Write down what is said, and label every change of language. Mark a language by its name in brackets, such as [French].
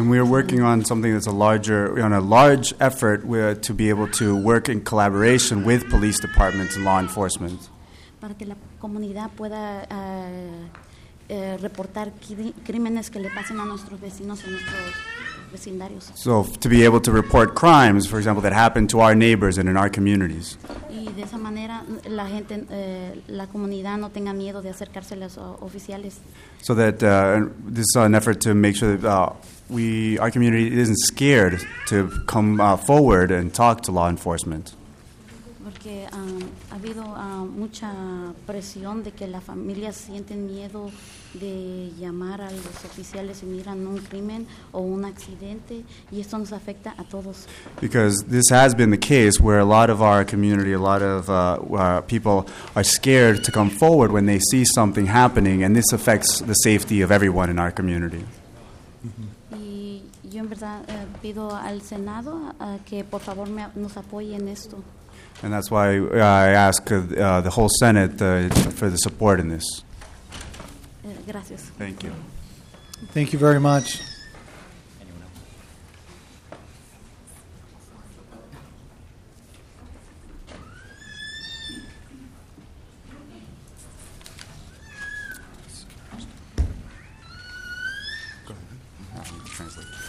[English] And we are working on something that's a large effort to be able to work in collaboration with police departments and law enforcement. [Spanish] Para que la comunidad pueda reportar crímenes que le pasen a nuestros vecinos en nuestros vecindarios. [English] So to be able to report crimes, for example, that happen to our neighbors and in our communities. [Spanish] Y de esa manera la gente, la comunidad no tenga miedo de acercarse a los oficiales. [English] So that this is an effort to make sure that our community isn't scared to come forward and talk to law enforcement. [Spanish] Porque ha habido mucha presión de que las familias sienten miedo de llamar a los oficiales y miran un crimen o un accidente, y esto nos afecta a todos. [English] Because this has been the case where a lot of our community, a lot of people are scared to come forward when they see something happening, and this affects the safety of everyone in our community. [Spanish] Y yo en verdad pido al Senado que por favor nos apoye en esto. [English] And that's why I ask the whole Senate for the support in this. [Spanish] Gracias. [English] Thank you. Thank you very much. Anyone else?